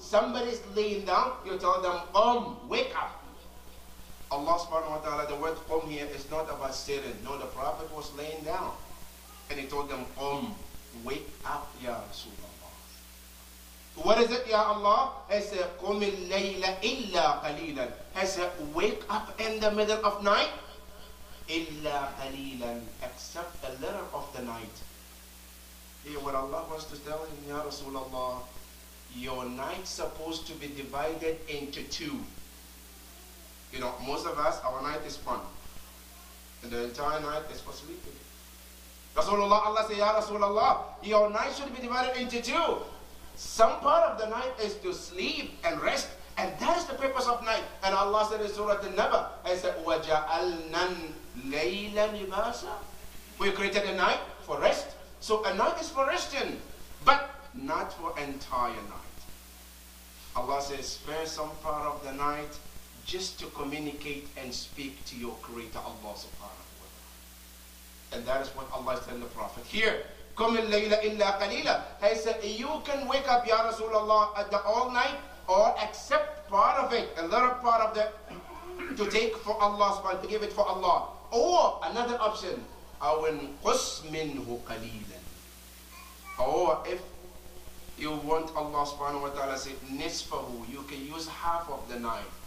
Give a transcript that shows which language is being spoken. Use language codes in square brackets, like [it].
[en] Somebody's laying down, you tell them, Qum, wake up. Allah subhanahu wa ta'ala, the word Qum here is not about sitting. No, the Prophet was laying down. And he told them, Qum. Wake up, Ya Rasulullah. What is it, Ya Allah? He said, [ar] قُمِ اللَّيْلَ إِلَّا قَلِيلًا. [en] He said, wake up in the middle of night. [ar] إِلَّا قَلِيلًا. [en] Except a little of the night. Hear what Allah wants to tell him, Ya Rasulullah. Your night supposed to be divided into two. You know, most of us, our night is one. And the entire night is for sleeping. Rasulullah, Allah said, Ya Rasulullah, your night should be divided into two. Some part of the night is to sleep and rest, and that is the purpose of night. And Allah said in Surah An-Naba, He said, [ar] وَجَعَلْنَا اللَّيْلَ لِبَاسًا. [en] We created a night for rest. So a night is for resting, but not for entire night. Allah says, spare some part of the night just to communicate and speak to your Creator, Allah subhanahu. And that is what Allah is telling the Prophet. Here, [ar] قُمِ اللَّيْلَ إِلَّا قَلِيلًا. [en] He said, you can wake up, Ya Rasulullah, at the all night, or accept part of it, a little part of the, to take for Allah, to give it for Allah. Or another option, [ar] أَوَنْقُسْ مِنْهُ قَلِيلًا. [en] Or if you want Allah subhanahu wa ta'ala say, نِصْفَهُ, you can use half of the night.